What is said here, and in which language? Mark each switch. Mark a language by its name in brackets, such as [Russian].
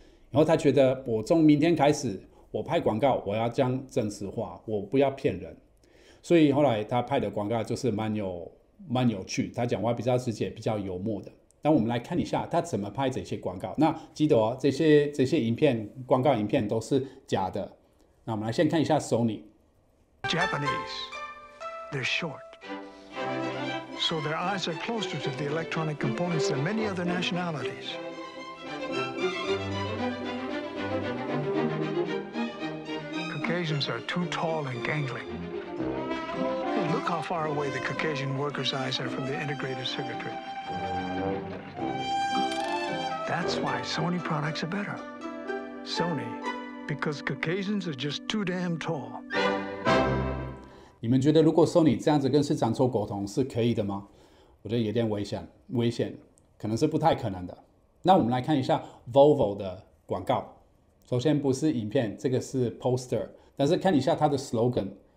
[Chinese] 然后他觉得我从明天开始，我拍广告我要讲真实话，我不要骗人。所以后来他拍的广告就是蛮有趣，他讲话比较直接，比较幽默的。那我们来看一下他怎么拍这些广告。那记得哦，这些影片，广告影片都是假的。那我们来先看一下 Sony。 [English] Japanese, they're short, so their eyes are closer to the electronic components than many other nationalities. Caucasians are too tall and gangly. Look how far away the Caucasian workers' eyes are from the integrated circuitry. That's why Sony products are better. Sony, because Caucasians are just too damn tall. [Chinese] 你们觉得如果 Sony 这样子跟市场做沟通是可以的吗？我觉得有点危险，危险，可能是不太可能的。那我们来看一下 Volvo 的广告。首先不是影片，这个是 poster，但是看一下它的 slogan。